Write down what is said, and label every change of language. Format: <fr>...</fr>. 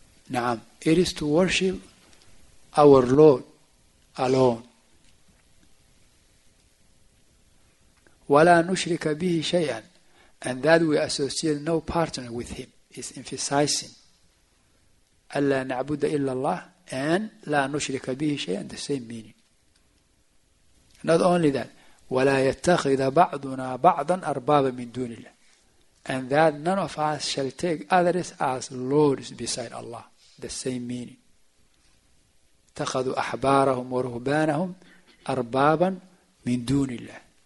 <en>Naam, it is to worship our Lord alone.</en> <ar>وَلَا نُشْرِكَ بِهِ شَيْئًا</ar> <en>And that we associate no partner with him. It's emphasizing.</en> <ar>أَلَّا نَعْبُدَ إِلَّا اللَّهِ</ar> <en>And</en> <ar>لَا نُشْرِكَ بِهِ شَيْئًا</ar> <en>The same meaning. Not only that.</en> <ar>وَلَا يَتَّخِذَ بَعْضُنَا بَعْضًا أَرْبَابًا مِنْ دُونِ اللَّهِ</ar> <en>And that none of us shall take others as lords beside Allah. The same meaning.</en> <ar>اتخذوا أحبارهم ورهبانهم أربابا من دون الله.</ar>